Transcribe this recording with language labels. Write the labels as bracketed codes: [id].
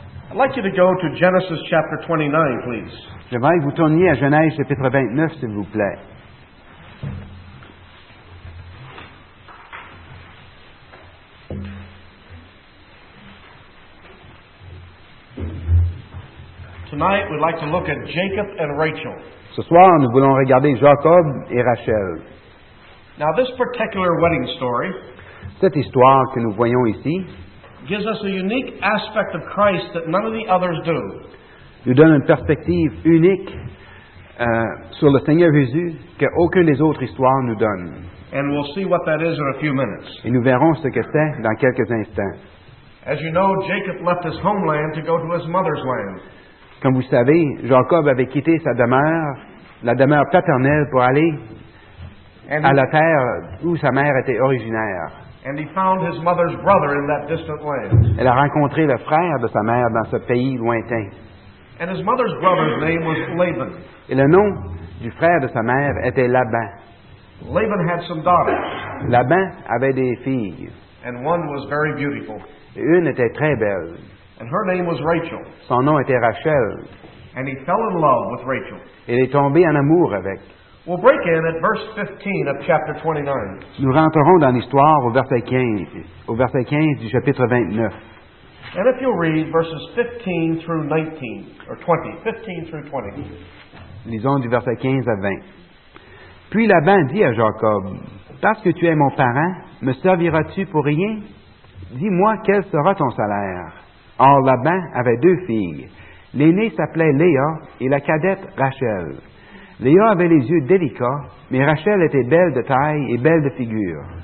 [en] I'd like you to go to Genesis chapter 29, please. [fr] J'aimerais que vous tourniez à Genèse chapitre 29, s'il vous plaît. [en] Tonight, we'd like to look at Jacob and Rachel. [fr] Ce soir, nous voulons regarder Jacob et Rachel. [en] Now, this particular wedding story, [fr] cette histoire que nous voyons ici, [en] gives us a unique aspect of Christ that none of the others do. [fr] Nous donne une perspective unique sur le Seigneur Jésus qu'aucune des autres histoires nous donne. [en] And we'll see what that is in a few minutes. [fr] Et nous verrons ce que c'est dans quelques instants. [en] As you know, Jacob left his homeland to go to his mother's land. [fr] Comme vous savez, Jacob avait quitté sa demeure, la demeure paternelle, pour aller à la terre où sa mère était originaire. [en] And he found his mother's brother in that distant land. [fr] Elle a rencontré le frère de sa mère dans ce pays lointain. [en] And his mother's brother's name was Laban. [fr] Et le nom du frère de sa mère était Laban. [en] Laban had some daughters. [fr] Laban avait des filles. [en] And one was very beautiful. [fr] Et une était très belle. [en] And her name was Rachel. [fr] Son nom était Rachel. [en] And he fell in love with Rachel. [fr] Il est tombé en amour avec. [en] We'll break in at verse 15 of chapter 29. [fr] Nous rentrerons dans l'histoire au verset 15 du chapitre 29. [en] And if you'll read verses 15 through 19, or 20, 15 through 20. [fr] Lisons du verset 15 à 20. Puis Laban dit à Jacob, « Parce que tu es mon parent, me serviras-tu pour rien? Dis-moi, quel sera ton salaire? » Or, Laban avait deux filles. L'aînée s'appelait Léa et la cadette Rachel. Léa avait les yeux délicats, mais Rachel était belle de taille et belle de figure.